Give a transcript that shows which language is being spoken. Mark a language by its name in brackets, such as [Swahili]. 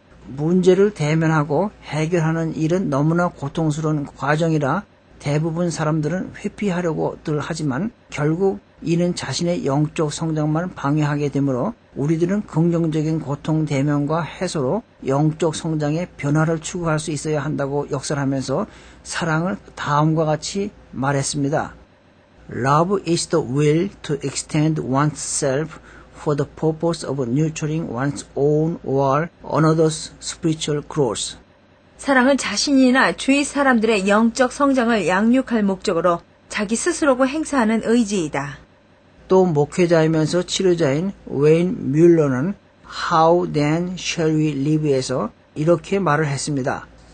[Korean] 문제를 대면하고 해결하는 일은 너무나 고통스러운 과정이라 대부분 사람들은 회피하려고들 하지만 결국 이는 자신의 영적 성장만 방해하게 되므로 우리들은 긍정적인 고통 대면과 해소로 영적 성장의 변화를 추구할 수 있어야 한다고 역설하면서 사랑을 다음과 같이 말했습니다. [English] Love is the will to extend oneself for the purpose of nurturing one's own or another's spiritual growth. [Korean] 사랑은 자신이나 주위 사람들의 영적 성장을 양육할 목적으로 자기 스스로가 행사하는 의지이다. 또 목회자이면서 치료자인 웨인 뮬러는 How Then Shall We Live에서 이렇게 말을 했습니다.